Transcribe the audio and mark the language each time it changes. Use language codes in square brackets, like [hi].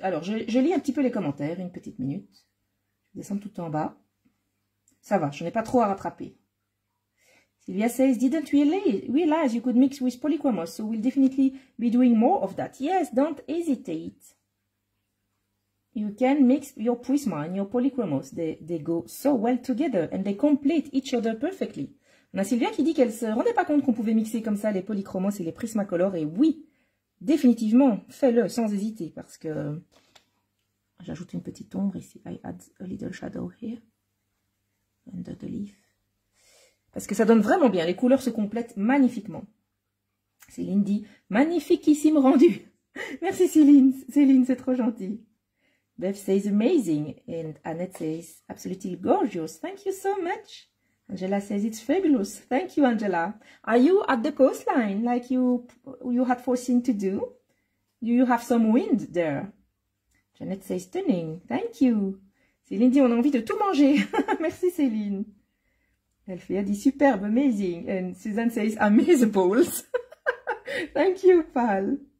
[fr] Alors, je lis un petit peu les commentaires, une petite minute. Je descends tout en bas. Ça va, je n'ai pas trop à rattraper. [en] Sylvia says, didn't realize you could mix with polychromos, so we'll definitely be doing more of that. Yes, don't hesitate. You can mix your Prisma and your polychromos. They go so well together and they complete each other perfectly. [fr] On a Sylvia qui dit qu'elle ne se rendait pas compte qu'on pouvait mixer comme ça les polychromos et les prismacolores. Et oui, définitivement, fais-le sans hésiter parce que j'ajoute une petite ombre ici. [en] I add a little shadow here. [fr] un dot leaf. Parce que ça donne vraiment bien. Les couleurs se complètent magnifiquement. Céline dit, magnifiquissime rendu. Merci Céline. Céline, c'est trop gentil. [en] Beth says amazing. And Annette says absolutely gorgeous. Thank you so much. Angela says it's fabulous. Thank you, Angela. Are you at the coastline like you had foreseen to do? Do you have some wind there? Janet says stunning. Thank you. [fr] Céline dit on a envie de tout manger. Merci Céline. Elfia dit superbe, amazing. [en] And Susan says amazeballs. Thank you, pal.